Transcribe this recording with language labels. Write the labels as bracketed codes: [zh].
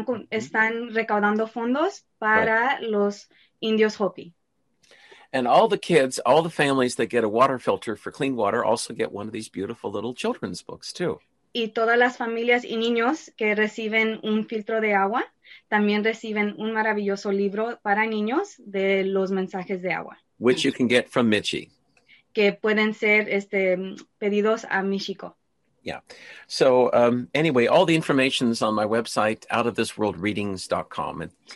[es] Están recaudando fondos para los indios Hopi. [en] And all the kids, all the families that get a water filter for clean water also get one of these beautiful little children's books too. [es] Y todas las familias y niños que reciben un filtro de agua también reciben un maravilloso libro para niños de los mensajes de agua. [en] Which you can get from Michi. [es] Que pueden ser pedidos a Michiko. Yeah. [en] So anyway, all the information is on my website, outofthisworldreadings.com.